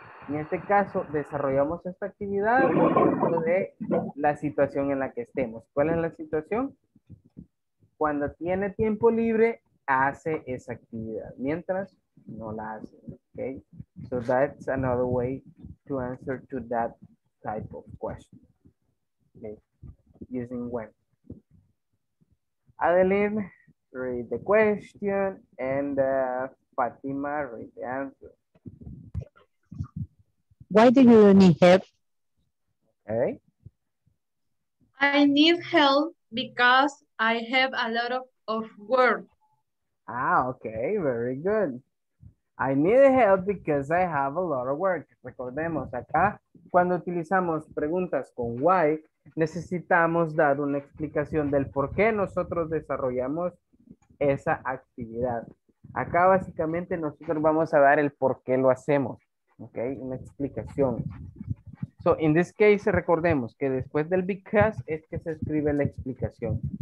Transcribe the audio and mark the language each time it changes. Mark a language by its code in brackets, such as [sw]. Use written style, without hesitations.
[es] En este caso, desarrollamos esta actividad dentro de la situación en la que estemos. ¿Cuál es la situación? Cuando tiene tiempo libre, hace esa actividad, mientras no la hace, okay? [en] So that's another way to answer to that type of question, okay? Using when. Adeline, read the question, and Fatima, read the answer. Why do you need help? Okay. I need help because I have a lot of work. Ah, okay, very good. I need help because I have a lot of work. [es] Recordemos acá, cuando utilizamos preguntas con why, necesitamos dar una explicación del por qué nosotros desarrollamos esa actividad. Acá básicamente nosotros vamos a dar el por qué lo hacemos, ¿ok? Una explicación. [en] So, in this case, [es] recordemos que después del because es que se escribe la explicación.